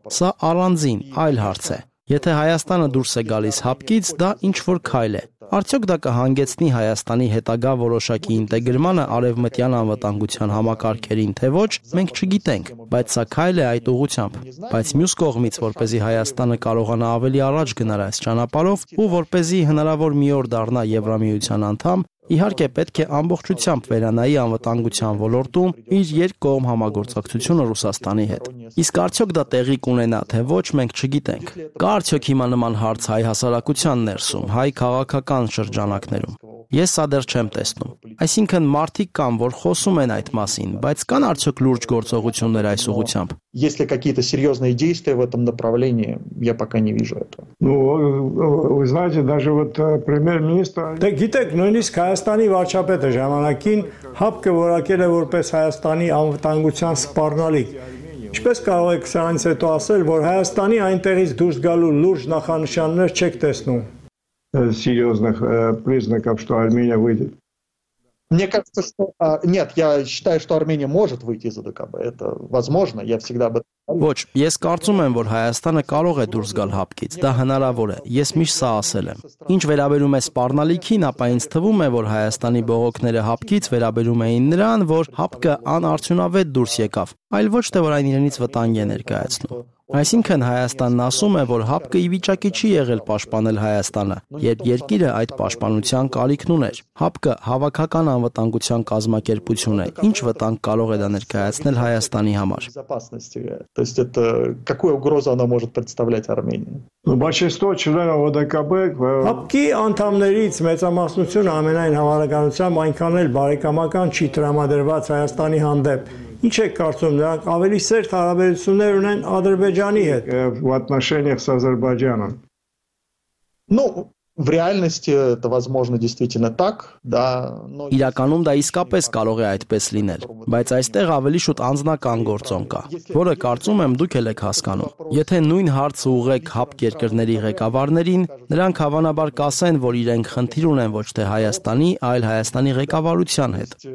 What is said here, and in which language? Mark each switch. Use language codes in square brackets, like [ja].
[hy] Սա առանձին այլ հարց է։ Եթե Հայաստանը դուրս է գալիս հապկից, դա ինչ որ քայլ է։ Արդյոք դա կհանգեցնի Հայաստանի հետագա որոշակի ինտեգրմանը արևմտյան անվտանգության համակարգերին, թե ոչ, մենք չգիտենք, բայց սա քայլ է այդ ուղությամբ։ Բայց մյուս կողմից, որպեսզի Հայաստանը կարողանա ավելի առաջ գնալ այս ճանապարհով ու որպեսզի հնարավոր մի օր դառնա Եվրամիության անդամ, իհարկե պետք է ամբողջությամբ վերանայի անվտանգության ոլորտում իր երկկողմ համագործակցությունը Ռուսաստանի հետ։ Իսկ արդյոք դա տեղի կունենա, թե ոչ, մենք չգիտենք։ Կա արդյոք հիմա նման հարց հայ հասարակության ներսում, հայ քաղաքական շրջանակներում։ Ես սա դեռ չեմ տեսնում։ Այսինքն, մարդիկ կան, որ խոսում են այդ մասին, բայց կան արդյոք լուրջ գործողություններ այս ուղությամբ։ [ru] Если какие-то серьёзные действия в этом направлении, я пока не вижу этого. Ну, вы знаете, даже вот премьер-министр Да [hy] գիտեք, նույնիսկ Հայաստանի վարչապետը ժամանակին հապկը որակել է որպես Հայաստանի անվտանգության սպառնալիք։ Ինչպես կարող եք սրանից հետո ասել, որ Հայաստանի այնտեղից դուրս գալու լուրջ նախանշաններ չեք տեսնում? [ru] Серьёзных признаков, что Армения выйдет. Мне кажется, что нет, я считаю, что Армения может выйти из ОДКБ. Это возможно, я всегда бы [hy] Ոչ, ես կարծում եմ, որ Հայաստանը կարող է դուրս գալ հապկից, դա հնարավոր է, ես միշտ սա ասել եմ։ Ինչ վերաբերում է սպառնալիքին, ապա ինձ թվում է, որ Հայաստանի բողոքները հապկից վերաբերում էին նրան, որ հապկը անարդյունավետ դուրս եկավ, այլ ոչ թե որ այն իրենից վտանգ է ներկայացնում։ Այսինքն, Հայաստանն ասում է, որ հապկը ի վիճակի չի եղել պաշտպանել Հայաստանը, երբ երկիրը այդ պաշտպանության կարիքն ուներ։ Հապկը հավաքական անվտանգության կազմակերպություն է, ինչ վտանգ կարող է դա ներկայացնել Հայաստանի համար։ [ru] То есть это какую угрозу она может представлять Армении? Ну, большинство членов ОДКБ [hy] Апки անդամներից մեծամասնությունը ամենայն համարականությամբ այնքան էլ բարեկամական չի տրամադրված Հայաստանի հանդեպ։ Ինչ է կարծում, նրանք ավելի սերտ հարաբերություններ ունեն Ադրբեջանի հետ։ [ru] В отношениях с Азербайджаном. Ну, В реальности это возможно действительно так, да, но [hy] Իրականում դա իսկապես կարող է այդպես լինել, բայց այստեղ ավելի շուտ անձնական գործոն կա, որը կարծում եմ դուք եք հասկանում։ Եթե նույն հարցը ուղեք ՀԱՊ երկրների ղեկավարներին, նրանք հավանաբար կասեն, որ իրենք խնդիր ունեն ոչ թե Հայաստանի, այլ Հայաստանի ղեկավարության հետ։